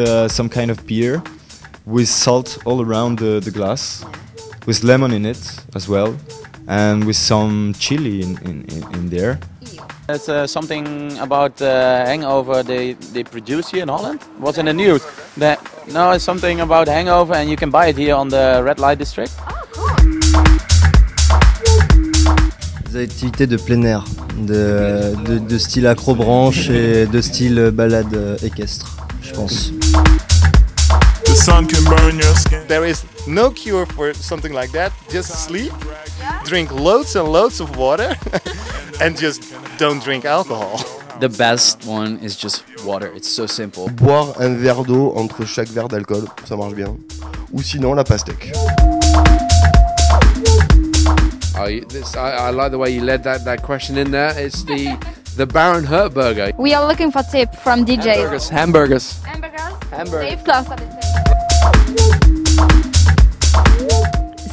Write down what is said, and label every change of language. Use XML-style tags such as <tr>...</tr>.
<en>Some kind of beer with salt all around the glass, with lemon in it as well, and with some chili in there. That's something about hangover they produce here in Holland. What's in the news? That, no, it's something about hangover, and you can buy it here on the red light district.</en> <fr>Des activités de plein air, de style acrobranche et de style balade équestre, je pense.</fr> <en>The sun can burn your skin. There is no cure for something like that. Just sleep, drink loads and loads of water, and just don't drink alcohol. The best one is just water. It's so simple.</en> <fr>Boire un verre d'eau entre chaque verre d'alcool, ça marche bien. Ou sinon la pastèque.</fr> <en>I like the way you led that question in there. It's the Baron Hurt burger. We are looking for tip from DJs. Hamburgers. Hamburgers. Hamburgers.</en>